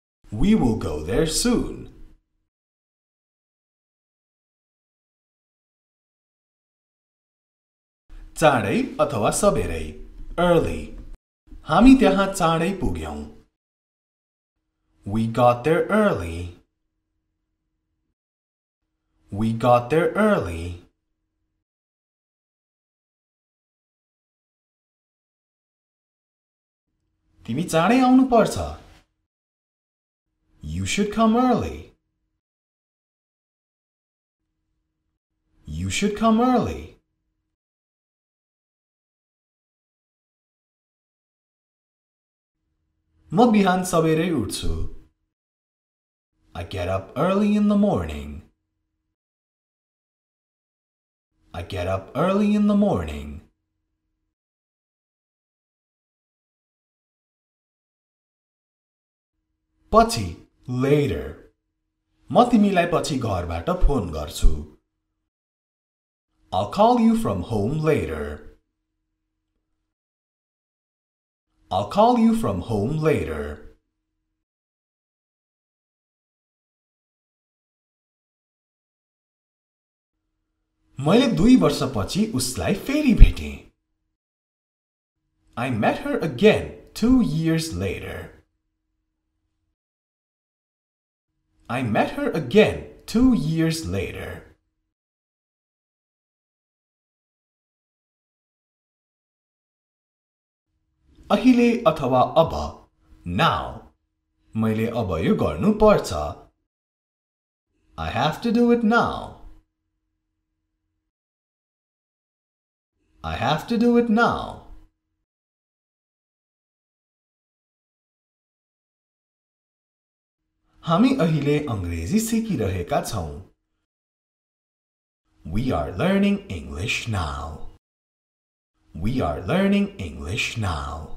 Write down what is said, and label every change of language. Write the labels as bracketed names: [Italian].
[English] We will go there soon. [Nepali] चाँडै अथवा सबेरै early हामी त्यहाँ चाँडै पुग्यौं [English] We got there early We got there early [Nepali] तिमी चाँडै आउनु पर्छ [English] You should come early You should come early [Nepali] म बिहान सबेरै उठ्छु [English] I get up early in the morning I get up early in the morning [Nepali] पछि later म तिमीलाई पछि घरबाट फोन गर्छु [English] I'll call you from home later I'll call you from home later. [Nepali] मैले दुई वर्षपछि उसलाई फेरि भेटे। [English] I met her again 2 years later. I met her again 2 years later. [Nepali] अहिले अथवा अब now मैले अब यो गर्नु पर्छ [English] I have to do it now I have to do it now [Nepali] हामी अहिले अंग्रेजी सिकिरहेका छौं [English] We are learning English now We are learning English now